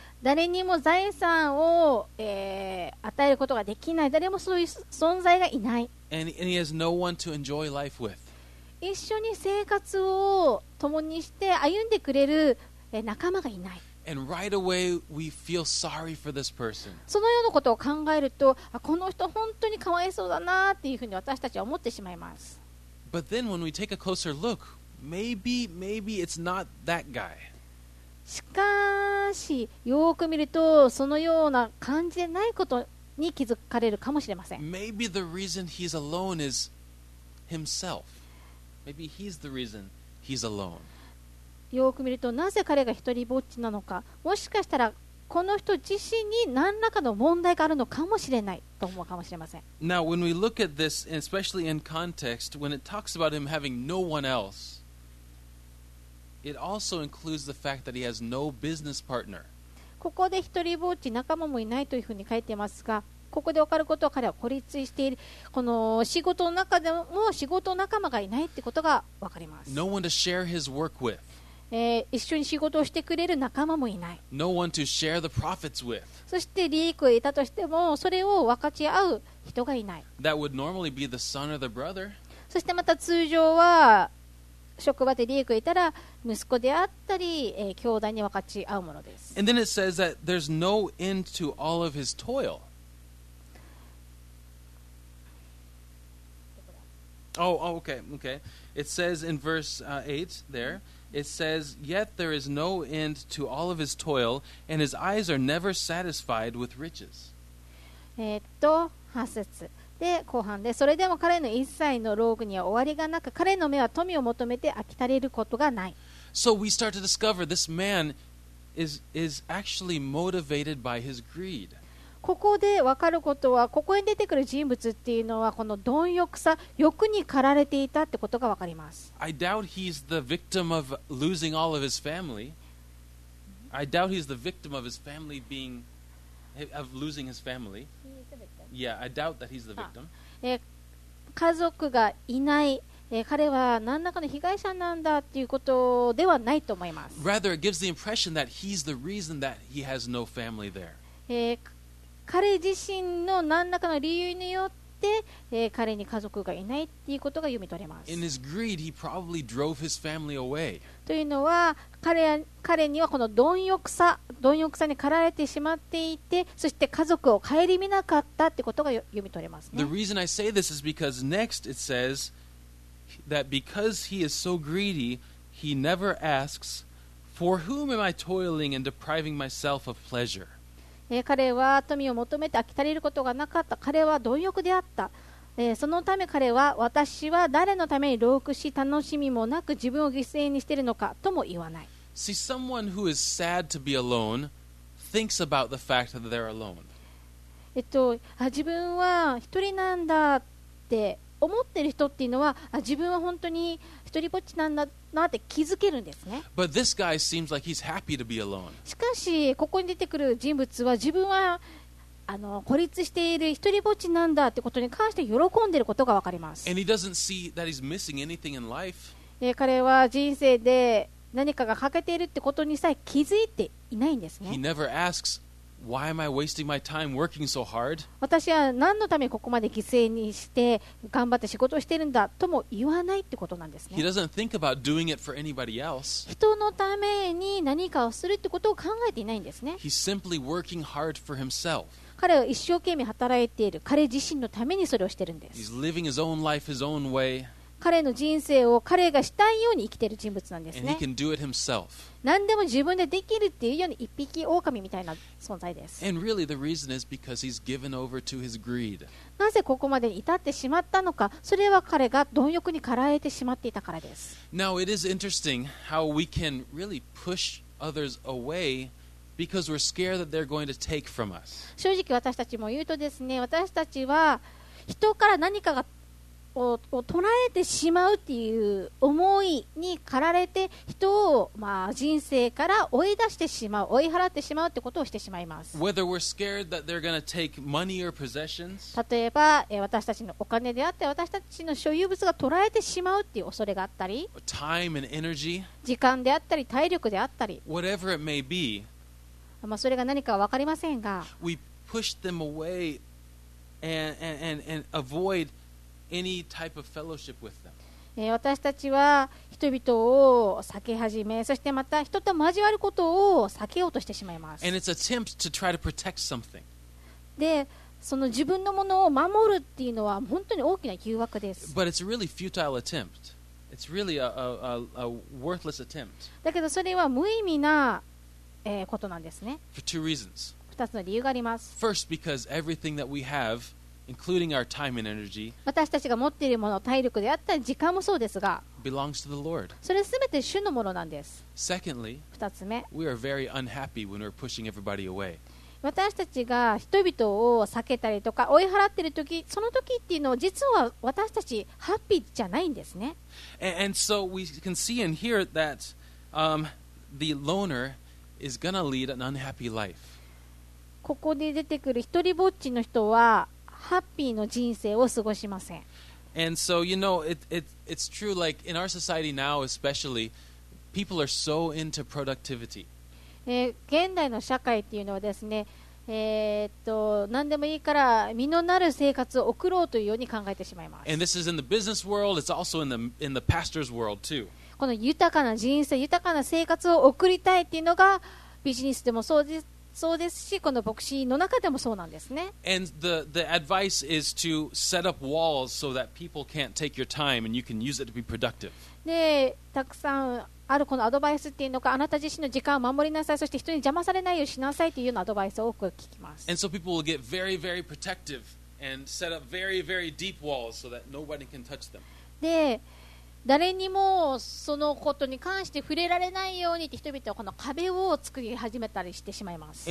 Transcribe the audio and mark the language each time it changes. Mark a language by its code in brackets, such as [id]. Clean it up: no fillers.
[ja] 誰にも財産を、与えることができない。誰もそういう存在がいない。 [en] And he has no one to enjoy life with. [ja] 一緒に生活を共にして歩んでくれる、仲間がいない。 [en] And right away we feel sorry for this person. [ja] そのようなことを考えると、この人本当にかわいそうだなっていうふうに私たちは思ってしまいます。 [en] But then when we take a closer look, maybe it's not that guy. [ja] しかし、よく見ると、そのような感じでないことに気づかれるかもしれません。 [en] Maybe the reason he's alone is himself. Maybe he's the reason he's alone. [ja] よく見るとなぜ彼が一人ぼっちなのか、もしかしたらこの人自身に何らかの問題があるのかもしれないと思うかもしれません。 [en] Now, when we look at this, especially in context, when it talks about him having no one else, it also includes the fact that he has no business partner. [ja] ここで一人ぼっち仲間もいないというふうに書いていますが、ここで分かることは彼は孤立している、この仕事の中でも仕事仲間がいないってことが分かります。 [en] No one to share his work with. [ja] 一緒に仕事をしてくれる仲間もいない。 [en] No one to share the profits with. [ja] そして利益を得たとしてもそれを分かち合う人がいない。 [en] That would normally be the son or the brother. [ja] そしてまた通常は職場で利益を得たら息子であったり、兄弟に分かち合うものです。 [en] And then it says that there's no end to all of his toil. Okay. It says in verse 8 there. It says, yet there is no end to all of his toil, and his eyes are never satisfied with riches. [ja] 8節で後半で、それでも彼の一切の労苦には終わりがなく、彼の目は富を求めて飽き足りることがない。 [en] So we start to discover this man is actually motivated by his greed. [ja] ここで分かることは、ここに出てくる人物っていうのは、この貪欲さ、欲に駆られていたってことが分かります。 [en] I doubt he's the victim of losing all of his family. I doubt he's the victim of his family being, of losing his family. Yeah, I doubt that he's the victim. [ja] 家族がいない、彼は何らかの被害者なんだっていうことではないと思います。 [en] Rather, it gives the impression that he's the reason that he has no family there. [ja] 彼自身の何らかの理由によって、彼に家族がいないっていうことが読み取れます。 [en] In his greed, he probably drove his family away. [ja] というのは、彼にはこの貪欲さに駆られてしまっていて、そして家族を顧みなかったってことが読み取れますね。 [en] The reason I say this is because next it says that because he is so greedy, he never asks For whom am I toiling and depriving myself of pleasure? [ja] 彼は富を求めて飽き足りることがなかった。彼は貪欲であった。そのため彼は、私は誰のために労苦し楽しみもなく自分を犠牲にしているのかとも言わない。 [en] See, someone who is sad to be alone thinks about the fact that they're alone. [ja] 自分は一人なんだって思ってる人っていうのは、自分は本当に一人ぼっちなんだなって気づけるんですね。 [en] But this guy seems like he's happy to be alone. [ja] しかし、ここに出てくる人物は自分は孤立している一人ぼっちなんだってことに関して喜んでることが分かります。 [en] And he doesn't see that he's missing anything in life. [ja] 彼は人生で何かが欠けているってことにさえ気づいていないんですね。 [en] He never asks,Why am I wasting my time working so hard? [ja] 私は何のためここまで犠牲にして頑張って仕事をしているんだとも言わないってことなんですね。 [en] He doesn't think about doing it for anybody else. [ja] 人のために何かをするってことを考えていないんですね。 [en] He's simply working hard for himself. [ja] 彼は一生懸命働いている。彼自身のためにそれをしているんです。 [en] He's living his own life his own way. [ja] 彼の人生を彼がしたいように生きている人物なんですね。 [en] And he can do it himself. [ja] 何でも自分でできるっていうように一匹狼みたいな存在です。 [en] And really the reason is because he's given over to his greed. [ja] なぜここまでに至ってしまったのか、それは彼が貪欲に駆られてしまっていたからです。 [en] Now it is interesting how we can really push others away because we're scared that they're going to take from us. [ja] 正直私たちも言うとですね、私たちは人から何かが取られてしまうっていう思いに駆られて人を人生から追い出してしまう追い払ってしまうってことをしてしまいます。 [en] Whether we're scared that they're gonna take money or possessions. [ja] 例えば私たちのお金であって私たちの所有物が取られてしまうっていう恐れがあったり [en] Time and energy. [ja] 時間であったり体力であったり [en] Whatever it may be. [ja] それが何かは分かりませんが [en] We push them away and avoidAny type of fellowship with them. [ja] 私たちは人々を避け始め、そしてまた人と交わることを避けようとしてしまいます。 [en] And it's an attempt to try to protect something. [ja] で、その自分のものを守るっていうのは本当に大きな誘惑です。 [en] But it's a really futile attempt. It's really a worthless attempt. [ja] だけどそれは無意味なことなんですね。 [en] For two reasons. [ja] 二つの理由があります。 [en] First, because everything that we have. Including our time and energy, [ja] 私たちが持っているもの、体力であったり時間もそうですが、 [en] belongs to the Lord. [ja] それすべて主のものなんです。 [en] Secondly, [ja] 二つ目、 [en] we are very unhappy when we're pushing everybody away. [ja] 私たちが人々を避けたりとか追い払っているとき、そのときっていうのは実は私たちハッピーじゃないんですね。 [en] And so we can see in here that the loner is gonna lead an unhappy life. [ja] ここで出てくる一人ぼっちの人は。ハッピーの人生を過ごしません。 [en] And so, you know, it's true, like in our society now, especially, people are so into productivity. [ja] 現代の社会っていうのはですね、何でもいいから身のなる生活を送ろうというように考えてしまいます。 [en] And this is in the business world, it's also in the pastor's world too. [ja] この豊かな人生、豊かな生活を送りたいっていうのがビジネスでもそうです。そうですし、この牧師の中でもそうなんですね。 [en] And the advice is to set up walls so that people can't take your time and you can use it to be productive. [ja] で、たくさんあるこのアドバイスっていうのか、あなた自身の時間を守りなさい、そして人に邪魔されないようにしなさいっていうようなアドバイスを多く聞きます。 [en] And so people will get very, very protective and set up very, very deep walls so that nobody can touch them. [ja] で、誰にもそのことに関して触れられないようにって人々はこの壁を作り始めたりしてしまいます。